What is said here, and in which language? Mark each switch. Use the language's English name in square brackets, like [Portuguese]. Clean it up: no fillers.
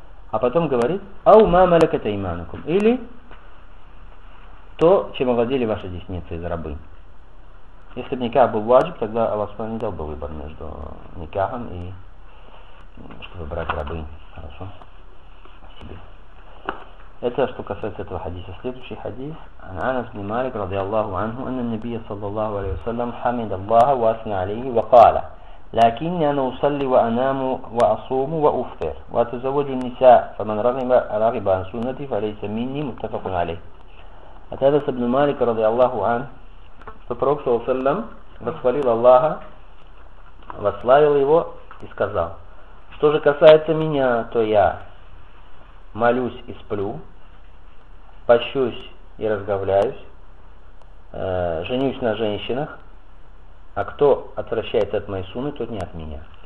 [Russian] А потом говорит, [Arabic] «Ау ма малякат айманукум». [Russian] Или то, чем овладели ваши десницы из рабы. Если бы никах был ваджиб, тогда Аллах Субхану не дал бы выбор между никахом и чтобы брать рабы. Хорошо. Себе. Это что касается этого хадиса. Следующий хадис. [Arabic] Анас бин Малик رضي الله عنه أن النبي صلى الله عليه وسلم حمد الله وأثنى عليه وقال لكني أنا أصلي وأنام وأصوم وأفطر وأتزوج النساء فمن رغب عن سنتي فليس مني متفق عليه. [Russian] От Анаса бин Малика [Arabic] رضي الله عنه, [Russian] что Пророк [Arabic] صلى الله عليه وسلم [Russian] восхвалил Аллаха, восславил его и сказал, что же касается меня, то я молюсь и сплю, пощусь и разговляюсь, женюсь на женщинах, а кто отвращается от моей сунны, тот не от меня.